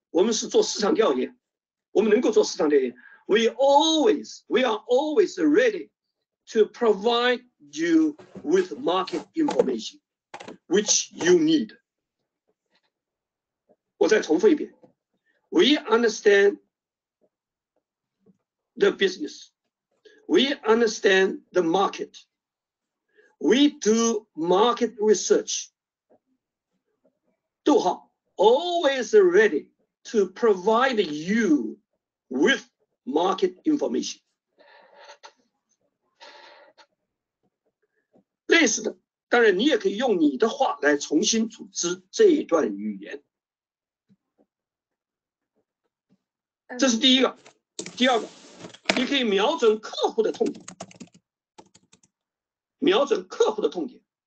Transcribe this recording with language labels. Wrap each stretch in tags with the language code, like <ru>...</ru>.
<zh>我们是做市场调研，我们能够做市场调研。</zh> <en>We are always ready to provide you with market information, which you need.</en> <zh>我再重复一遍</zh> <en>，We understand the business. We understand the market. We do market research.</en> <zh>逗号</zh> <en>always ready to provide you with market information.</en> <zh>类似的，当然你也可以用你的话来重新组织这一段语言。这是第一个，第二个。你可以瞄准客户的痛点，瞄准客户的痛点。</zh>